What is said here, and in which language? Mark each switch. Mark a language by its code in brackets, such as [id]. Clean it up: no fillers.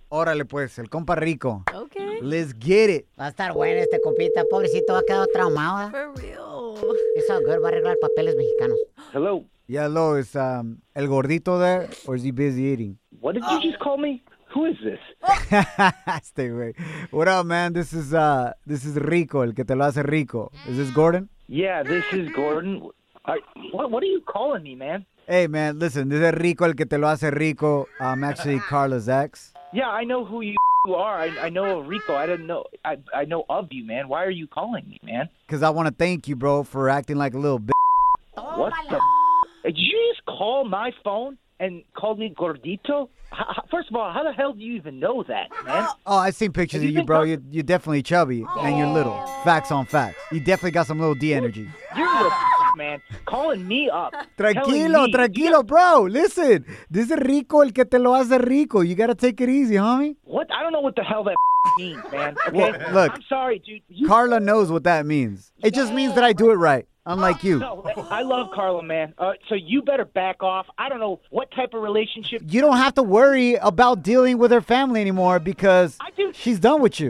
[es] Órale, pues. El compa Rico. [en] Okay. Let's get it. [es] Va a estar bueno este compita. Pobrecito, ha quedado traumado. [en] For real. It's all good. [es] Va a arreglar papeles mexicanos. [en] Hello. Yeah, hello. Is El Gordito there or is he busy eating? What did you just call me? Who is this? Stay away. What up, man? This is Rico, [es] el que te lo hace rico. [en] Is this Gordon? Yeah, this is Gordon. What are you calling me, man? Hey, man, listen. This is Rico, [es] el que te lo hace rico. [en] I'm actually Carla's ex. Yeah, I know who you are. I know of Rico. I didn't know. I know of you, man. Why are you calling me, man? Because I want to thank you, bro, for acting like a little bitch. What the Did you just call my phone and call me Gordito? First of all, how the hell do you even know that, man? Oh, I've seen pictures of you, bro. You're definitely chubby, and you're little. Facts on facts. You definitely got some little D energy. You're the man calling me up. [es] Tranquilo, bro. [en] Listen, this is Rico [es] el que te lo hace rico. [en] You got to take it easy, homie. What? I don't know what the hell that means, man. Okay? Well, look. I'm sorry, dude. Carla knows what that means. It just means that I do it right. Unlike you. No, I love Carla, man. So you better back off. I don't know what type of relationship. You don't have to worry about dealing with her family anymore because she's done with you.